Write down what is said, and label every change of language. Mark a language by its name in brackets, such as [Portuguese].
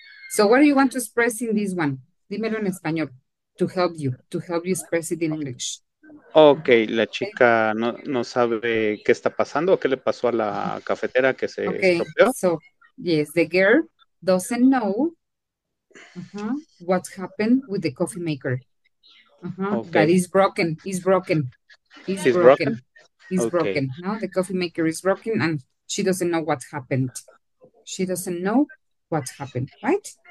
[English] So what do you want to express in this one? [Spanish] Dímelo en español [English] to help you express it in English. [Spanish] Okay, la chica no sabe qué está pasando, qué le pasó a la cafetera que se estropeó. [English] So yes, the girl doesn't know what happened with the coffee maker. Okay. That is broken. It's broken. No, the coffee maker is broken and she doesn't know what happened, right?